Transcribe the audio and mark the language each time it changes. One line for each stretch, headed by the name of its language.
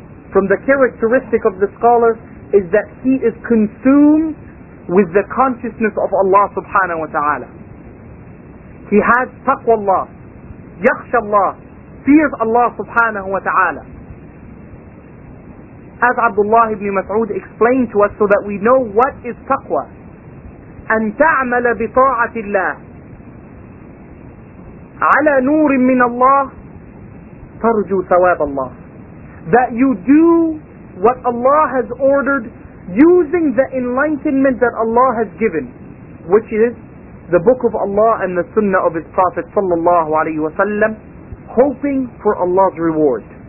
English: From the characteristic of the scholar is that he is consumed with the consciousness of Allah subhanahu wa ta'ala. He has taqwa Allah, yakhsha Allah, fears Allah subhanahu wa ta'ala. As Abdullah ibn Mas'ud explained to us so that we know what is taqwa.
Arabic: أن تعمل بطاعة الله على نور من الله ترجو ثواب الله.
English: That you do what Allah has ordered using the enlightenment that Allah has given, which is the book of Allah and the sunnah of His Prophet sallallahu alayhi wasallam, hoping for Allah's reward.